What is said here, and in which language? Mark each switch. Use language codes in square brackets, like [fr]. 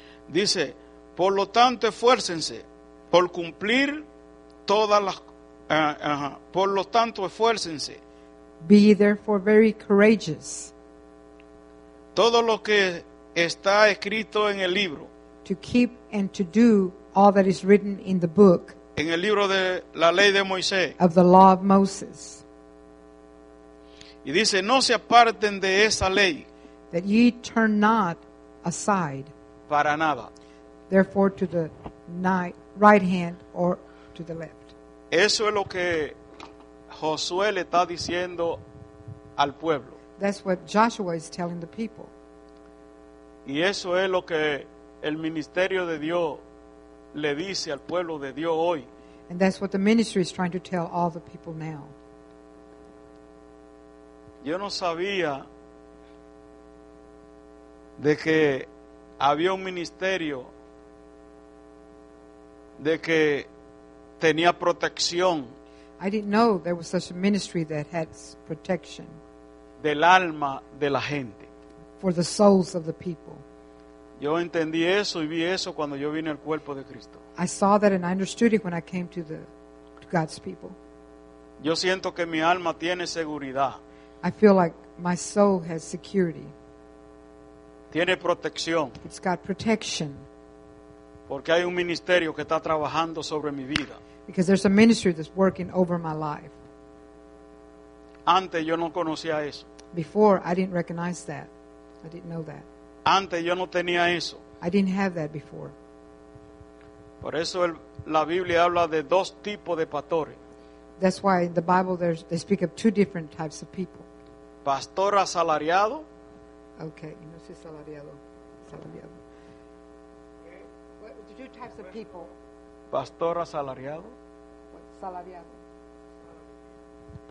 [es] Dice, por lo tanto, esfuércense por cumplir todas las. Por lo tanto, esfuércense. [en] Be therefore very courageous. [es] Todo lo que está escrito en el libro. [en] To keep and to do all that is written in the book. [es] En el libro de la ley de Moisés. [en] Of the law of Moses. [es] Y dice, no se aparten de esa ley. [en] That ye turn not aside. [es] Para nada. [en] Therefore, to the right hand or to the left. [es] Eso es lo que Josué le está diciendo al pueblo. [en] That's what Joshua is telling the people. [es] Y eso es lo que el ministerio de Dios le dice al pueblo de Dios hoy. [en] And that's what the ministry is trying to tell all the people now. [es] Yo no sabía de que había un ministerio de que tenía protección. [en] I didn't know there was such a ministry that had protection. [es] Del alma de la gente. [en] For the souls of the people. [es] Yo entendí eso y vi eso cuando yo vine al cuerpo de Cristo. [en] I saw that and I understood it when I came to God's people. [es] Yo siento que mi alma tiene seguridad. [en] I feel like my soul has security. [es] Tiene protección. [en] It's got protection. [es] Porque hay un ministerio que está trabajando sobre mi vida. [en] Because there's a ministry that's working over my life. [es] Antes yo no conocía eso. [en] Before, I didn't recognize that. I didn't know that. [es] Antes yo no tenía eso. [en] I didn't have that before. [es] Por eso la Biblia habla de dos tipos de pastores. [en] That's why in the Bible they speak of two different types of people. [es] Pastor asalariado. Okay, no sé salariado. Salariado. [en] Two types of people. [es] Pastor asalariado. Salariado.